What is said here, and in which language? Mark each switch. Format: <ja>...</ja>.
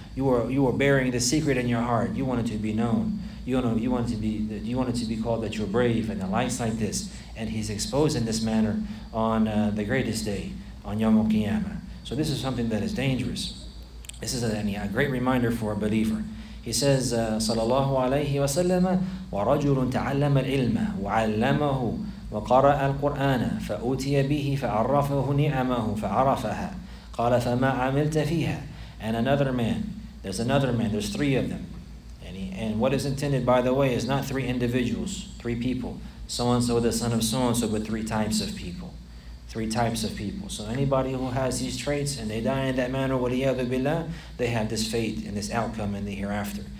<en>You were burying the secret in your heart. You wanted to be known. You wanted to be called that you're brave, and the likes like this. And he's exposed in this manner on the greatest day, on Yawm al-Qiyamah. So this is something that is dangerous. This is a great reminder for a believer. He says,</en> <ar>صلى الله عليه وسلم ورجل تعلم العلم وعلمه وقرأ القرآن فأوتي به فعرفه نعمه فعرفها قال فما عملت فيها.</ar> <en>And another man, there's another man, there's three of them. And what is intended, by the way, is not three individuals, three people. So-and-so, the son of so-and-so, but three types of people. Three types of people. So anybody who has these traits and they die in that manner,</en> <ar>وَلِيَّذُ بِاللَّهِ,</ar> <en>they have this fate and this outcome in the hereafter.</en>